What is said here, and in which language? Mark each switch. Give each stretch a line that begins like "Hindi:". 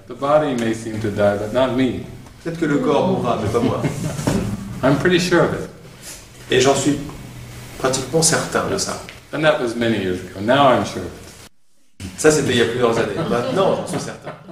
English: The body may seem to die, but not me.
French: Peut-être que le corps mourra, mais pas moi.
English: I'm pretty sure of it.
French: Et j'en suis pratiquement certain de ça.
English: And that was many years ago. Now I'm sure.
French: Ça, c'était il y a plusieurs années. Maintenant, j'en suis certain.